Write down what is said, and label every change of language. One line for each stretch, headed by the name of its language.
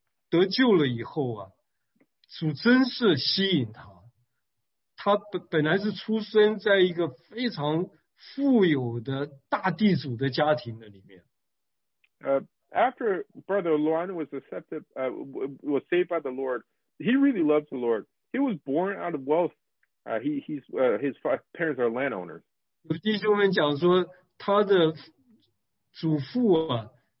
Chinese: 得救了以后啊, 主真是吸引他。他本来是出生在一个非常富有的大地主的家庭的里面。
English: After Brother Luan was accepted, was saved by the Lord, he really loved the Lord. He was born out of wealth. His parents are landowners.
Chinese: 有弟兄们讲说，他的祖父啊。